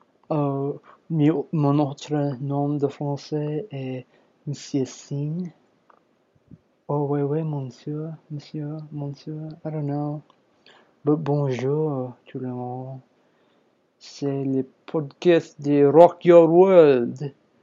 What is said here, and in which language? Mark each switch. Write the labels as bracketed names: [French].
[French] Mon autre nom de français est Monsieur Singh. Oh, oui, monsieur, monsieur, monsieur, [English] I don't know. But [French] bonjour, tout le monde. C'est le podcast de Rock Your World.